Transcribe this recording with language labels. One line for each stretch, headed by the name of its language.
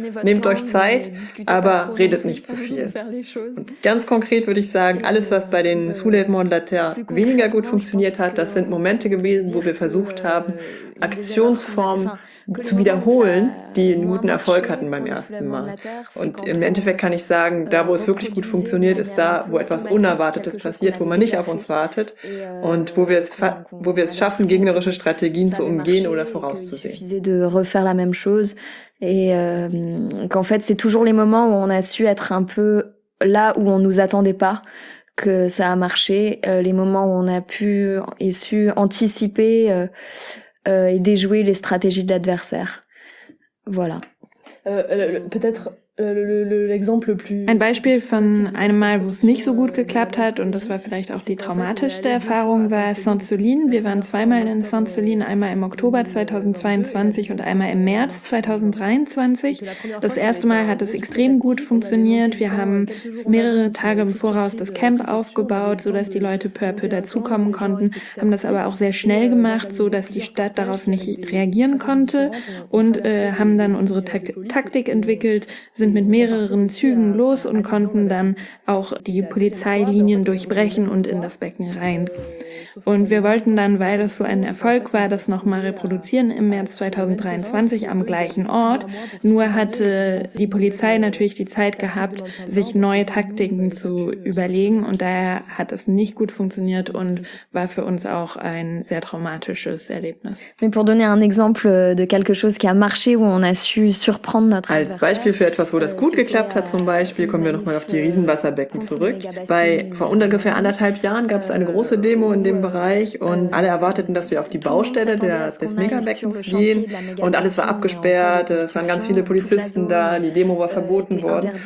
German: Nehmt euch Zeit, aber redet nicht zu viel. Und ganz konkret würde ich sagen, alles, was bei den Soulève-Mont-de-la-Terre weniger gut funktioniert hat, das sind Momente gewesen, wo wir versucht haben, Aktionsformen zu wiederholen, die einen guten Erfolg hatten beim ersten Mal. Und im Endeffekt kann ich sagen, da, wo es wirklich gut funktioniert, ist da, wo etwas Unerwartetes passiert, wo man nicht auf uns wartet und wo wir es schaffen, gegnerische Strategien zu umgehen oder vorauszusehen.
French: C'est toujours les moments où on a su être un peu là où on nous attendait pas. Que ça a marché, les moments où on a pu et su anticiper et déjouer les stratégies de l'adversaire. Voilà. Peut-être.
German: Ein Beispiel von einem Mal, wo es nicht so gut geklappt hat, und das war vielleicht auch die traumatischste Erfahrung, war Sainte-Soline. Wir waren zweimal in Sainte-Soline, einmal im Oktober 2022 und einmal im März 2023. Das erste Mal hat es extrem gut funktioniert. Wir haben mehrere Tage im Voraus das Camp aufgebaut, sodass die Leute
French: peu à peu
German: dazukommen konnten, haben das aber auch sehr schnell gemacht, sodass die Stadt darauf nicht reagieren konnte, und haben dann unsere Taktik entwickelt, sind mit mehreren Zügen los und konnten dann auch die Polizeilinien durchbrechen und in das Becken rein. Und wir wollten dann, weil das so ein Erfolg war, das nochmal reproduzieren im März 2023 am gleichen Ort. Nur hatte die Polizei natürlich die Zeit gehabt, sich neue Taktiken zu überlegen, und daher hat es nicht gut funktioniert und war für uns auch ein sehr traumatisches Erlebnis.
French: Mais pour donner un exemple de quelque chose qui a marché, où on a su surprendre notre adversaire.
German: Als Beispiel für etwas, wo das gut geklappt hat, zum Beispiel, kommen wir nochmal auf die Riesenwasserbecken zurück. Vor ungefähr anderthalb Jahren gab es eine große Demo in dem Bereich, und alle erwarteten, dass wir auf die Baustelle des Megabeckens gehen, und alles war abgesperrt, es waren ganz viele Polizisten da, die Demo war verboten worden.